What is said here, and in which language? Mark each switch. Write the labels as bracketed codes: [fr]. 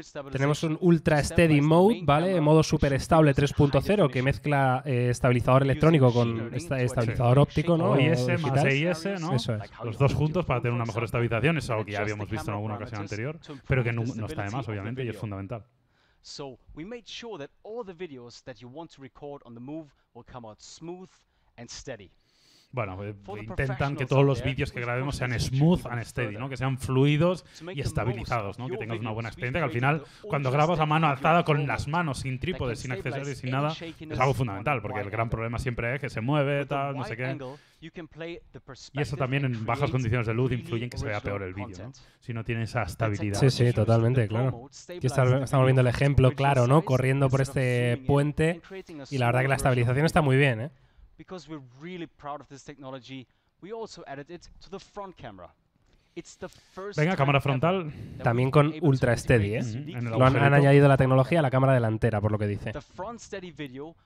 [es] Tenemos un Ultra Steady Mode, ¿vale? Modo super estable 3.0 que mezcla estabilizador electrónico con estabilizador óptico, ¿no? OIS más EIS, ¿no? Eso es. Los dos juntos para tener una mejor estabilización. Eso es algo que ya habíamos visto en alguna ocasión anterior, pero que no está de más, obviamente, y es fundamental. [en] So we made sure that all the videos that you want to record on the move will come out smooth and steady. [es] Bueno, intentan que todos los vídeos que grabemos sean [en] smooth and steady, [es] ¿no? Que sean fluidos y estabilizados, ¿no? Que tengas una buena experiencia, que al final, cuando grabas a mano alzada con las manos, sin trípodes, sin accesorios, sin nada, es algo fundamental, porque el gran problema siempre es que se mueve, tal, no sé qué. Y eso también en bajas condiciones de luz influye en que se vea peor el vídeo, ¿no? Si no tiene esa estabilidad. Sí, sí, totalmente, claro. Aquí estamos viendo el ejemplo, claro, ¿no? Corriendo por este puente y la verdad que la estabilización está muy bien, ¿eh? [en] Because we're really proud of this technology, we also added it to the front camera. It's the first. [es] Venga, cámara frontal. También con ultra steady, ¿eh? Mm-hmm. Lo han añadido la tecnología a la cámara delantera, por lo que dice. [en] The front steady video